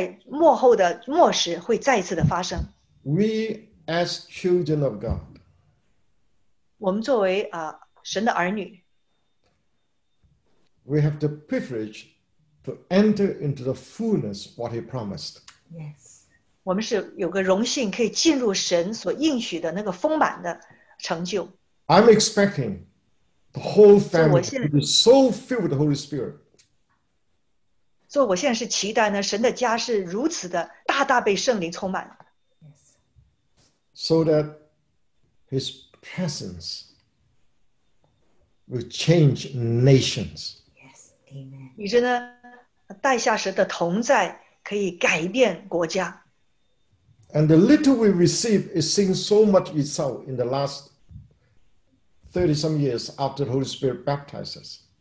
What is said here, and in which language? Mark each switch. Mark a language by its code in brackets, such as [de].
[zh] 二章二十八节，二章那里所说的，在末后的末时会再次的发生。 [en] We as children of God. [zh] 我们作为神的儿女。 [en] We have the privilege to enter into the fullness what He promised. Yes. [zh] 我们是有个荣幸可以进入神所应许的那个丰满的成就。 [en] I'm expecting the whole family to be so filled with the Holy Spirit. [zh] 所以我现在是期待呢，神的家是如此的大大被圣灵充满。 [en] So that His presence will change nations. Yes, amen. [zh] 以致呢，带下神的同在可以改变国家。 [en] And the little we receive is seeing so much result in the last 30-some years after the Holy Spirit baptized us.